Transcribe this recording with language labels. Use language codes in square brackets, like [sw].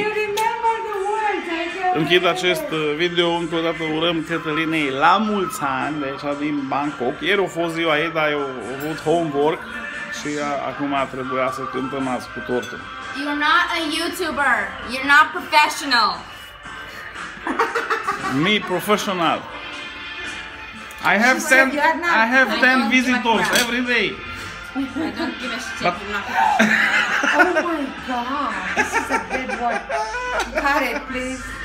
[en] You remember the words, I tell you. [ro] Închid acest video, încă o dată urăm Cătălinei la mulți ani, de aici din Bangkok. Ieri a fost ziua ei, dar eu a avut homework și acum a trebuit să cântăm azi cu tortul. [en] You're not a YouTuber. You're not professional. Me professional. I have 10 visitors every day. I don't give a shit. But, oh my god, this is a big one. Cut it, please.